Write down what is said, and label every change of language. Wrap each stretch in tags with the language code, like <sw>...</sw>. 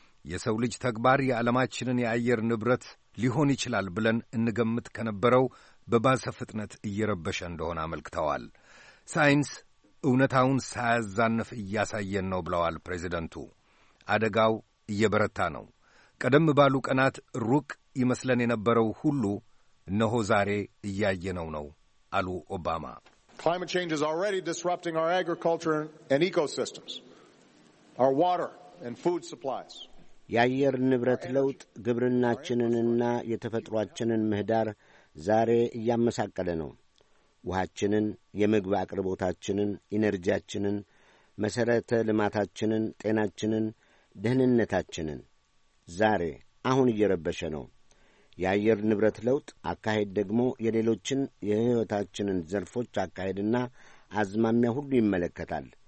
<am>የሰው ልጅ ተግባር የዓለማችንን የአየር ንብረት ሊሆን ይችላል ብለን እንገምት ከነበረው በባሰ ፍጥነት እየረበሸ እንደሆነ አመልክተዋል። ሳይንስ እውነታውን ሳያዛንፍ እያሳየን ነው ብለዋል ፕሬዚደንቱ። አደጋው እየበረታ ነው። ቀደም ባሉ ቀናት ሩቅ ይመስለን የነበረው ሁሉ እነሆ ዛሬ እያየነው ነው አሉ ኦባማ።</am> <en>Climate change is already disrupting our agriculture and ecosystems, our water and food supplies.</en> <am>የአየር ንብረት ለውጥ ግብርናችንንና የተፈጥሯችንን ምህዳር ዛሬ እያመሳቀለ ነው። ውሃችንን፣ የምግብ አቅርቦታችንን፣ ኢነርጂያችንን፣ መሠረተ ልማታችንን፣ ጤናችንን፣ ደህንነታችንን ዛሬ አሁን እየረበሸ ነው። የአየር ንብረት ለውጥ አካሄድ ደግሞ የሌሎችን የሕይወታችንን ዘርፎች አካሄድና አዝማሚያ ሁሉ ይመለከታል።</am>